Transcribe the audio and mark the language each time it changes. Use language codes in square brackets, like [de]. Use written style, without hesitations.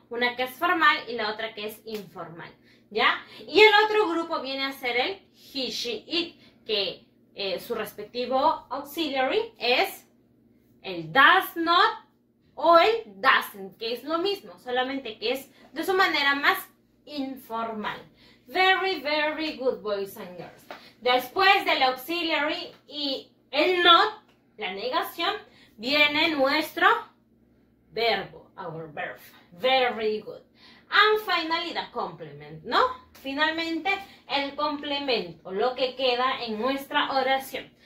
[es] Una que es formal y la otra que es informal. ¿Ya? Y el otro grupo viene a ser el he, she, it, que su respectivo auxiliary es el does not o el doesn't, que es lo mismo, solamente que es de su manera más informal. [en] Very, very good, boys and girls. [es] Después del auxiliary y el not, la negación, viene nuestro verbo, [en] our verb. Very good. And finally the complement, [es] ¿no? Finalmente el complemento, lo que queda en nuestra oración.